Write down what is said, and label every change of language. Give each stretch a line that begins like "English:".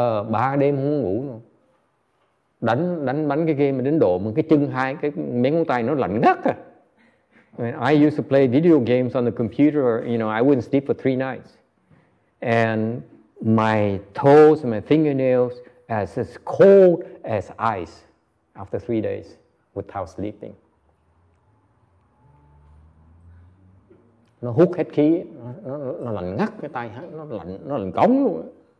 Vietnamese: Ba đêm không ngủ luôn. Đánh cái game mà đến độ mà cái chân hai cái miếng ngón tay nó lạnh ngắt à.
English: I used to play video games on the computer, you know, I wouldn't sleep for 3 nights. And my toes and my fingernails as cold as ice after 3 days without sleeping.
Vietnamese: Nó hút hết khí, nó lạnh ngắt cái tay, nó lạnh cống luôn.